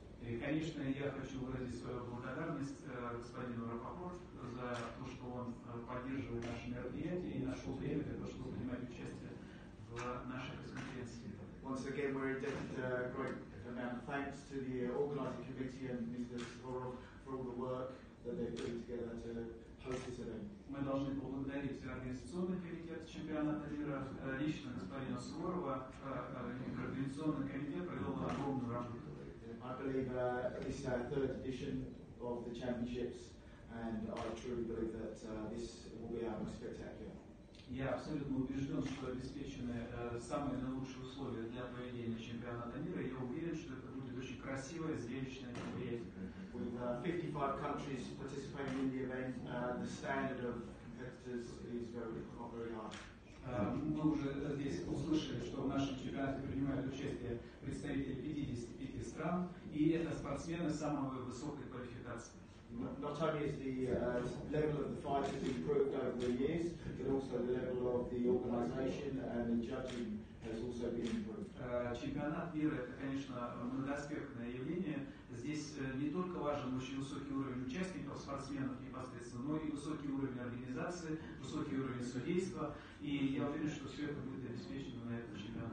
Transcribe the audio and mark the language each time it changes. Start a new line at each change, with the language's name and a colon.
Russian: И, конечно, я хочу выразить свою благодарность господину Рапопорт за то, что он поддерживает наше мероприятие и нашел время для того, чтобы принимать участие в нашей конференции.
English: Once again, we're indebted a great amount of thanks to the organizing committee and Mr. Sivorov for all the work that they've put together to host this event.
Russian: Мы должны поблагодарить организационный комитет чемпионата мира, лично господина Суворова, организационный комитет провел огромную работу.
English: I believe this is our third edition of the championships, and I truly believe that this will be our most spectacular.
Russian: Я абсолютно убежден, что обеспечены самые наилучшие условия для проведения чемпионата мира. Я уверен, что это будет очень красивое, зрелищное мероприятие.
English: With 55 countries participating in the event, the standard of competitors is not very high.
Russian: Мы уже здесь услышали, что в нашем чемпионате принимают участие представители 55 стран, и это спортсмены самой высокой квалификации.
English: Not only is the level of the fighters improved over the years, but also the level of the organization and the judging has also been improved.
Russian: Чемпионат мира – это, конечно, многоспектное явление. Здесь не только важен очень высокий уровень участников, спортсменов непосредственно, но и высокий уровень организации, высокий уровень судейства. И я уверен, что все это будет обеспечено на этом чемпионате.